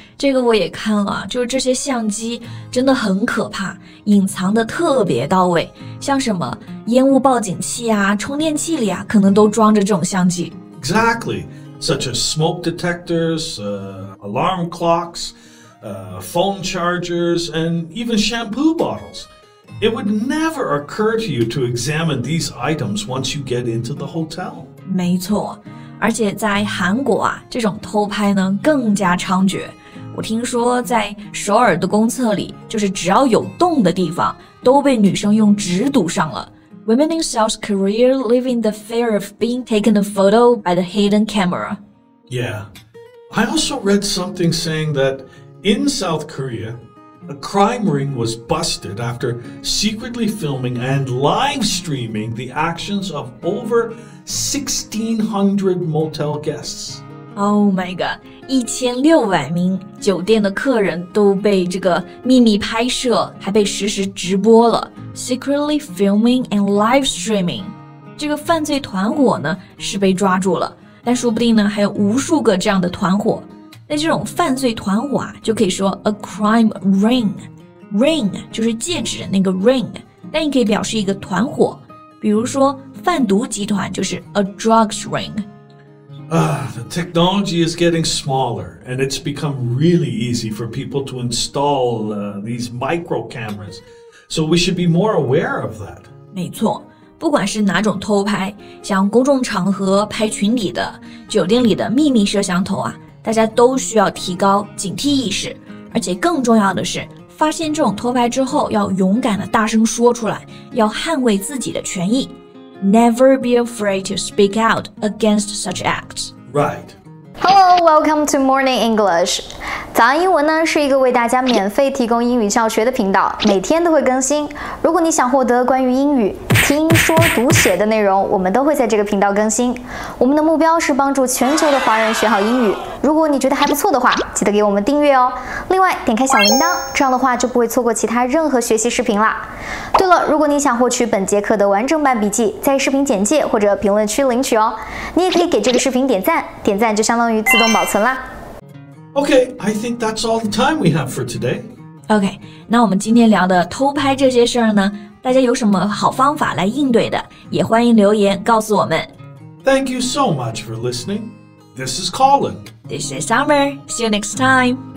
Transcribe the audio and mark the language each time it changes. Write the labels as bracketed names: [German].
[Chinese] 这个我也看了，就是这些相机真的很可怕，隐藏的特别到位，像什么烟雾报警器啊，充电器里啊，可能都装着这种相机。 [English] Exactly, such as smoke detectors, alarm clocks,phone chargers, and even shampoo bottles. It would never occur to you to examine these items once you get into the hotel. [Chinese] 没错，而且在韩国啊，这种偷拍呢更加猖獗。我听说在首尔的公厕里，就是只要有洞的地方，都被女生用纸堵上了。 [English] Women in South Korea live in the fear of being taken a photo by the hidden camera. Yeah, I also read something saying that in South Korea, a crime ring was busted after secretly filming and live streaming the actions of over 1,600 motel guests. Oh my god, [Chinese] 1600名酒店的客人都被这个秘密拍摄，还被实时直播了。 [English] Secretly filming and live streaming. [Chinese] 这个犯罪团伙呢是被抓住了，但说不定呢还有无数个这样的团伙。那这种犯罪团伙啊，就可以说 [English] a crime ring. [Chinese] Ring 就是戒指那个 ring, 但也可以表示一个团伙。比如说贩毒集团就是 [English] a drugs ring. The technology is getting smaller, and it's become really easy for people to install these micro cameras. So we should be more aware of that. [Chinese] 没错，不管是哪种偷拍，像公众场合拍裙底的、酒店里的秘密摄像头啊，大家都需要提高警惕意识。而且更重要的是，发现这种偷拍之后，要勇敢地大声说出来，要捍卫自己的权益。 [English] Never be afraid to speak out against such acts. Right. Hello, welcome to Morning English. [Chinese] 早安英文呢是一个为大家免费提供英语教学的频道，每天都会更新。如果你想获得关于英语听说读写的内容，我们都会在这个频道更新。我们的目标是帮助全球的华人学好英语。如果你觉得还不错的话，记得给我们订阅哦。另外，点开小铃铛，这样的话就不会错过其他任何学习视频啦。对了，如果你想获取本节课的完整版笔记，在视频简介或者评论区领取哦。你也可以给这个视频点赞，点赞就相当于自动保存啦。 [English] Okay, I think that's all the time we have for today. [Chinese] Okay, 那我们今天聊的偷拍这些事儿呢，大家有什么好方法来应对的，也欢迎留言告诉我们。 [English] Thank you so much for listening. This is Colin. This is Summer. See you next time.